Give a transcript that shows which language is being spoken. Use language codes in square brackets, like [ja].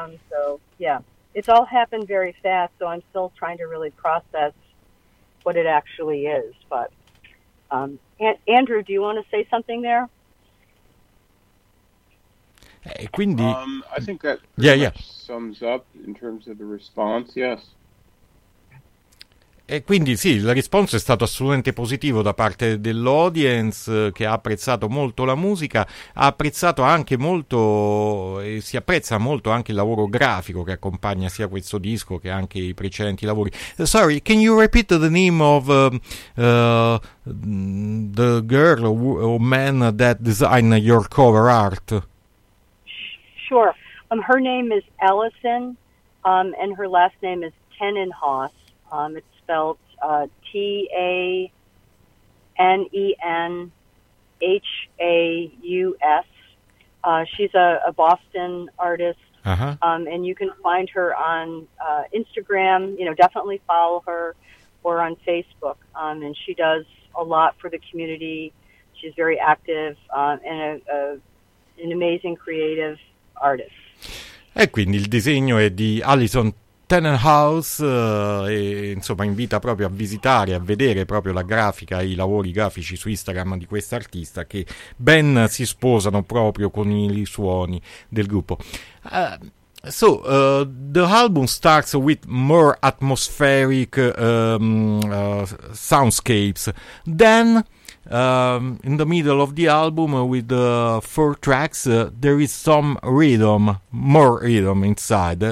[en] So yeah, it's all happened very fast, so I'm still trying to really process what it actually is. But Andrew, do you want to say something there? [it] Quindi, [en] I think that sums up in terms of the response. Yes. [it] E quindi sì, la risposta è stato assolutamente positivo da parte dell'audience, che ha apprezzato molto la musica, ha apprezzato anche molto e si apprezza molto anche il lavoro grafico che accompagna sia questo disco che anche i precedenti lavori. [en] Sorry, can you repeat the name of the girl or man that designed your cover art? Sure. Her name is Allison, and her last name is Tenenhaus. Spelled Tenenhaus. She's a Boston artist. Uh-huh. And you can find her on Instagram, you know, definitely follow her, or on Facebook. And she does a lot for the community. She's very active and an amazing creative artist. [it] E quindi il disegno è di Allison Tenenhaus, e insomma invita proprio a visitare, a vedere proprio la grafica, i lavori grafici su Instagram di quest'artista, che ben si sposano proprio con i suoni del gruppo. [en] So, the album starts with more atmospheric soundscapes, then in the middle of the album with the four tracks there is some rhythm, more rhythm inside.